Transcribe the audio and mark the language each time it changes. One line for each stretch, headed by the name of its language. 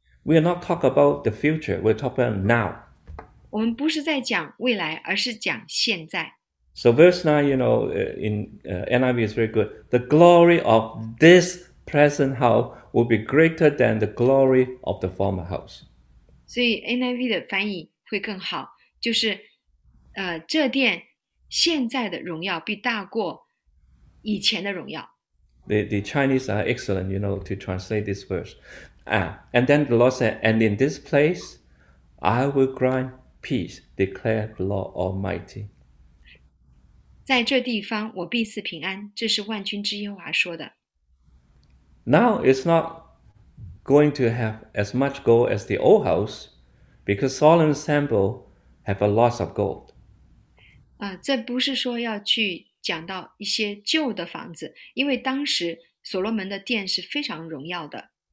English: We are not talk about the future, we're talking about now.
Chinese: 我们不是在讲未来，而是讲现在。
English: So verse 9, you know, in NIV is very good. The glory of this present house will be greater than the glory of the former house.
Chinese: 所以 NIV 的翻译会更好，就是这殿。现在的荣耀必大过以前的荣耀。
English: The Chinese are excellent, you know, to translate this verse. And then the Lord said, and in this place I will grant peace, declare the Lord Almighty.
Chinese: 在这地方，我必赐平安，这是万军之耶和华说的。
English: Now it's not going to have as much gold as the old house because Solomon's temple have a lot of gold.
Chinese: 这不是说要去讲到一些旧的房子，因为当时所罗门的殿是非常荣耀的。